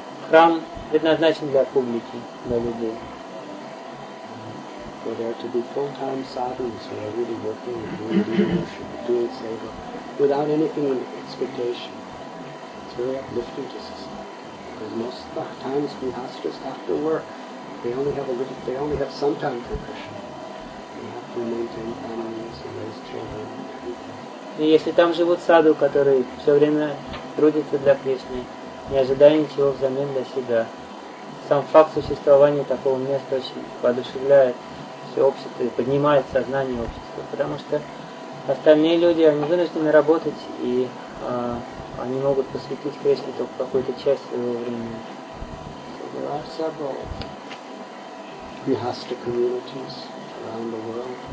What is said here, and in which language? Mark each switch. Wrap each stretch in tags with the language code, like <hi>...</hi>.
<ru>Храм предназначен для публики, для людей.</ru> <en>For there to be full-time sadhus who are really working and doing devotion, doing seva, without anything in expectation, it's very uplifting to society. Because most of the times we have just have to work. They only have some time for Krishna. They have to maintain families and raise children.</en> <ru>И если там живут саду, которые все время трудятся для Кришны, не ожидая ничего взамен для себя, сам факт существования такого места очень воодушевляет все общество и поднимает сознание общества, потому что остальные люди, они вынуждены работать, и они могут посвятить Кришне только какую-то часть своего времени.</ru> <en>There are several Grihastha communities around the world.</en>